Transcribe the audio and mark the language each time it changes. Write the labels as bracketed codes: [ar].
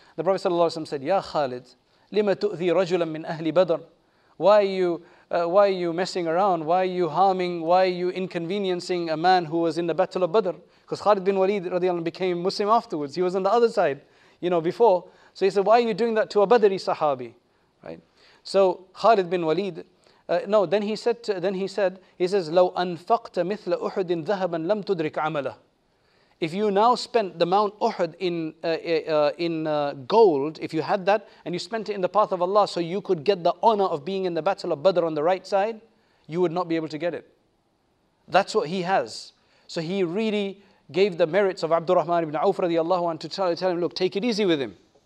[en] The Prophet sallallahu alaihi wasallam said, [ar] "Ya Khalid, lima tu'thi rajulan min ahli Badr? [en] Why are you messing around? Why are you harming? Why are you inconveniencing a man who was in the Battle of Badr?" Because Khalid bin Walid radiyallahu an became Muslim afterwards. He was on the other side, you know, before. So he said, "Why are you doing that to a Badri Sahabi?" Right? So Khalid bin Walid, he says, [ar] لو أنفقت مثل أحد ذهبا لم تدرك عمله. [en] If you now spent the Mount Uhud in gold, if you had that, and you spent it in the path of Allah, so you could get the honor of being in the Battle of Badr on the right side, you would not be able to get it. That's what he has. So he really, gave the merits of Abdur-Rahman ibn Awf radiallahu anhu to tell him, look, take it easy with him.